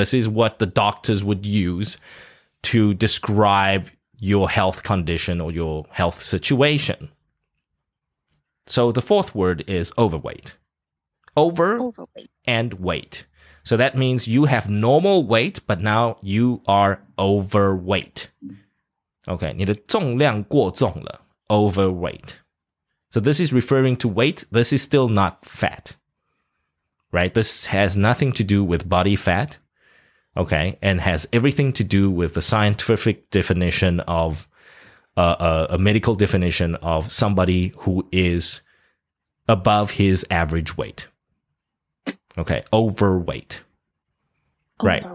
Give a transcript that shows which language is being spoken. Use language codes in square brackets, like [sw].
[en] This is what the doctors would use to describe your health condition or your health situation. So the fourth word is overweight. Overweight. And weight. So that means you have normal weight, but now you are overweight. [zh] Okay, 你的重量过重了, overweight. [en] So this is referring to weight. This is still not fat, right? This has nothing to do with body fat, okay, and has everything to do with the scientific definition of a medical definition of somebody who is above his average weight, okay, overweight, right?